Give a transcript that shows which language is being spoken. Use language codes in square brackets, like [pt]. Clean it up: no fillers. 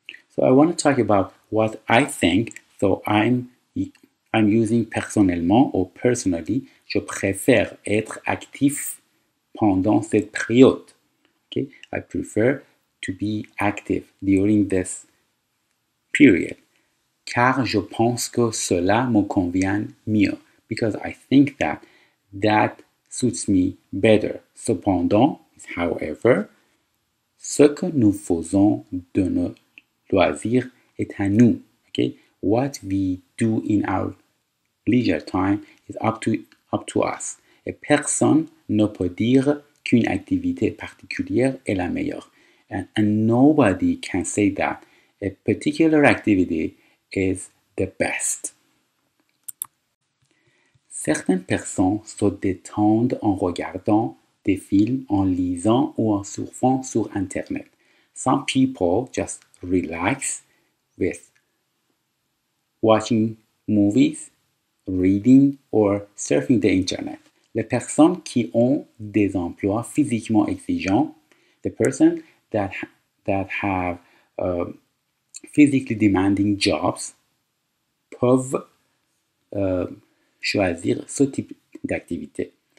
[en] So I want to talk about what I think. So I'm using [fr] personnellement [en] or personally, [fr] je préfère être actif pendant cette période. [en] Okay? I prefer to be active during this period. [fr] Car je pense que cela me convient mieux. [en] Because I think that suits me better. [fr] Cependant, however, ce que nous faisons de nos loisirs est à nous. [en] Okay? What we do in our leisure time is up to us. [fr] Et personne ne peut dire qu'une activité particulière est la meilleure. [en] And nobody can say that a particular activity is the best. [fr] Certaines personnes se détendent en regardant des films, en lisant ou en surfant sur Internet. [en] Some people just relax with watching movies, reading or surfing the Internet. [fr] Les personnes qui ont des emplois physiquement exigeants, [en] the person that have physically demanding jobs, [fr] peuvent choisir ce type d'activité.